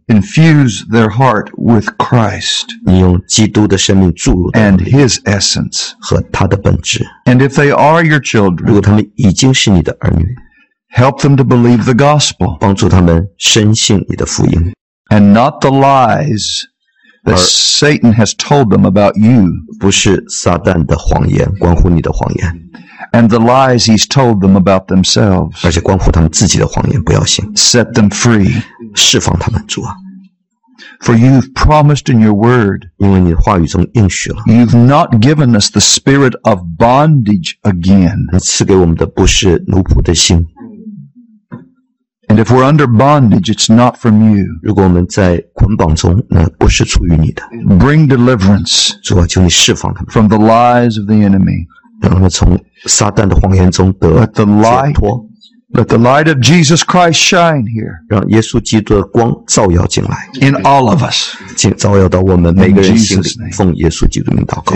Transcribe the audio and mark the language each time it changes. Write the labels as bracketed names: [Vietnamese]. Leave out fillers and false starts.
[English] Infuse their heart with Christ. [Chinese] 你用基督的生命注入他们。 [English] And His essence. [Chinese] 和他的本质。 [English] And if they are your children. [Chinese] 如果他们已经是你的儿女。 [English] Help them to believe the gospel. [Chinese] 帮助他们深信你的福音。 [English] And not the lies. That Satan has told them about you. [Chinese] 不是撒旦的谎言，关乎你的谎言。 [English] And the lies he's told them about themselves. [Chinese] 而且关乎他们自己的谎言，不要信。 [English] Set them free. [Chinese] 释放他们，主啊。 [English] For you've promised in your word. [Chinese] 因为你的话语中应许了。 [English] You've not given us the spirit of bondage again. [Chinese] 你赐给我们的不是奴仆的心。 [English] And if we're under bondage, it's not from you. [Chinese] 如果我们在捆绑中，那不是出于你的。 [English] Bring deliverance. [Chinese] 主啊，求你释放他们。 [English] From the lies of the enemy. [Chinese] 让他们从撒旦的谎言中得解脱。 [English] Let the light of Jesus Christ shine here. [Chinese] 让耶稣基督的光照耀进来。 [English] In all of us. [Chinese] 照耀到我们每个人心里。奉耶稣基督的名祷告。